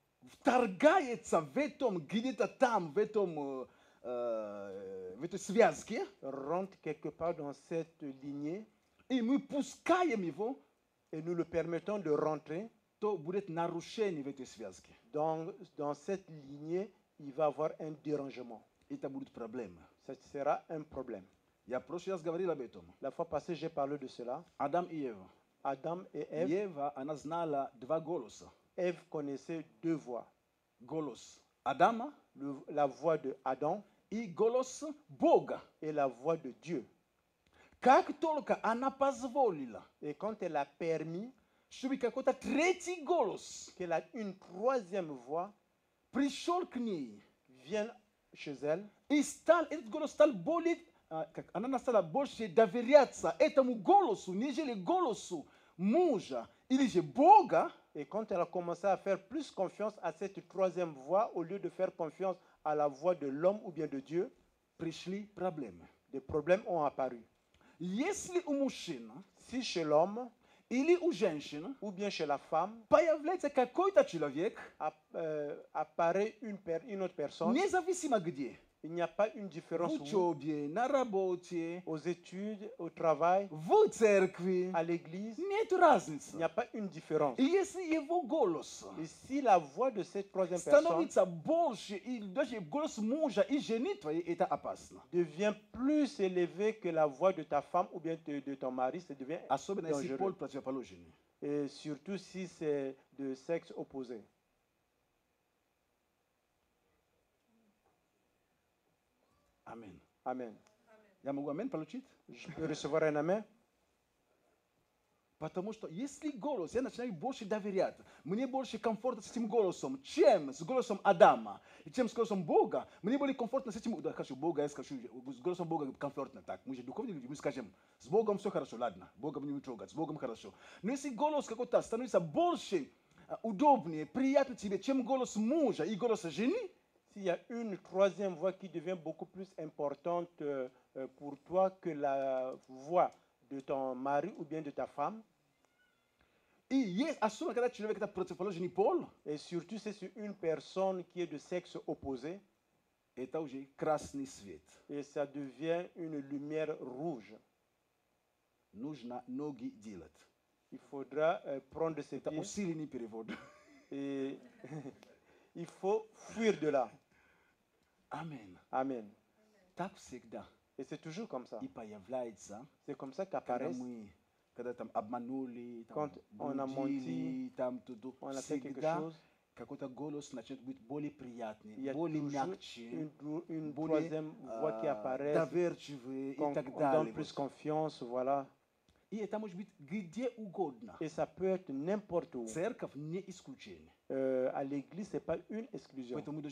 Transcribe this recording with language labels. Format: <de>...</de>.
<ru>вторгается в этом, где-то там, в этой связке,</ru> <fr>rentre quelque part dans cette lignée,</fr> <ru>и мы пускаем его,</ru> <fr>et nous le permettons de rentrer,</fr> <ru>то будет нарушение в этой связке.</ru> <fr>Dans cette lignée, il va avoir un dérangement. Et ça</fr> <ru>будет проблема.</ru> <fr>Ça sera un problème.</fr> <ru>Я прошлый раз говорил об этом.</ru> <fr>La fois passée, j'ai parlé de cela. Adam et Eve. Adam et Eve.</fr> <ru>Eva, она знала два голоса.</ru> <fr>Eve connaissait deux voix.</fr> <ru>Голос Adam,</ru> <fr>la voix de Adam, et</fr> <ru>голос Бога,</ru> <fr>et la voix de Dieu.</fr> <ru>Как только она позволила,</ru> <fr>et quand elle a permis,</fr> <ru>чтобы какой-то третий голос,</ru> <fr>qu'elle a une troisième voix,</fr> <ru>пришел к ней,</ru> <fr>vient chez elle,</fr> <ru>и стал, этот голос стал более, как, она стала больше доверяться этому голосу, нежели голосу мужа или же Бога.</ru> <fr>Et quand elle a commencé à faire plus confiance à cette troisième voix, au lieu de faire confiance à la voix de l'homme ou bien de Dieu,</fr> <ru>пришли проблемы.</ru> <fr>Des problèmes ont apparu.</fr> <ru>Если у мужчина,</ru> <fr>si chez l'homme,</fr> <ru>или у женщины,</ru> <fr>ou bien chez la femme,</fr> <ru>появляется какой-то человек,</ru> <fr>apparaît une autre personne,</fr> <ru>независимо где,</ru> <fr>il n'y a pas une différence</fr> <ru>в учебе,</ru> <fr>où,</fr> <ru>на работе,</ru> <fr>aux études, au travail,</fr> <ru>в церкви,</ru> <fr>à l'église,</fr> <ru>нет разницы,</ru> <fr>il n'y a pas une différence.</fr> <ru>И если его голос,</ru> <fr>et si la voix de cette troisième</fr> <ru>становится</ru> <fr>personne,</fr> <ru>больше, и голос мужа и жены твоей, это опасно,</ru> <fr>devient plus élevé que la voix de ta femme ou bien de ton mari, ça devient</fr> <ru>особенно</ru> <fr>dangereux.</fr> <ru>Если пол противоположный,</ru> <fr>et surtout si c'est de sexe opposé. Amen. Amen.</fr> <ru>Я могу амен получить?</ru> <fr>Je peux recevoir un amen?</fr> <ru>Потому что если голос, я начинаю больше доверять, мне больше комфортно с этим голосом, чем с голосом Адама, чем с голосом Бога, мне более комфортно с этим, да, хорошо, Бога, я скажу, с голосом Бога комфортно, так, мы же духовные люди, мы скажем, с Богом все хорошо, ладно, Бога не трогать, с Богом хорошо. Но если голос какой-то становится больше удобнее, приятнее тебе, чем голос мужа и голос жены,</ru> <fr>s'il y a une troisième voix qui devient beaucoup plus importante pour toi que la voix de ton mari ou bien de ta femme, et surtout c'est sur une personne qui est de sexe opposé, et ça devient une lumière rouge. Il faudra prendre ses pieds et il faut fuir de là. Amen. Amen.</fr> <ru>Так всегда.</ru> <fr>Et c'est toujours comme ça.</fr> <ru>И появляется.</ru> <fr>C'est comme ça qu'apparaissent.</fr> <ru>Когда, мы, когда там обманули, там</ru> <fr>quand</fr> <ru>блудили,</ru> <fr>on a menti,</fr> <ru>там туду,</ru> <fr>on a fait quelque chose,</fr> <ru>какой-то голос начинает быть более приятный,</ru> <fr>il y a</fr> <ru>более мягче,</ru> <fr>une</fr> <ru>более</ru> <fr>troisième voix qui apparaît,</fr> <ru>доверчивый и так далее.</ru> <fr>On donne plus confiance, voilà.</fr> <ru>И это может быть где угодно.</ru> <fr>Et ça peut être n'importe où.</fr> <ru>Церковь не исключение.</ru> <fr>À l'église, ce n'est pas une exclusion.</fr>